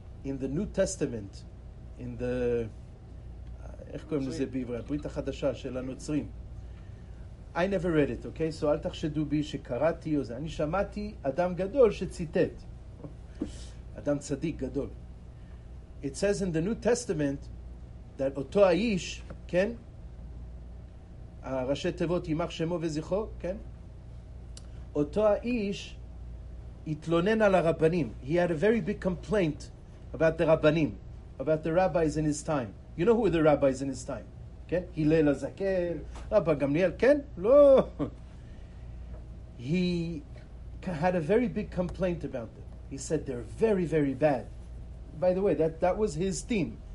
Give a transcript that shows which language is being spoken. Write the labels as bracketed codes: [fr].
[en] In the New Testament, in the [he] איך קוראים לזה בעברית? הברית החדשה של הנוצרים. [en] I never read it. Okay, so [he] אל תחשדו בי שקראתי או זה. אני שמעתי אדם גדול שציטט. אדם צדיק גדול. [en] It says in the New Testament that [he] אותו האיש, כן? הראשי תיבות ימח שמו וזכרו, כן? אותו האיש התלונן על הרבנים. [en] He had a very big complaint about the רבנים, about the rabbis in his time. You know who were the rabbis in his time, כן? הלל הזקן, רבא גמליאל, כן? לא. He had a very big complaint about them. He said they're very, very bad. By the way, that was his theme.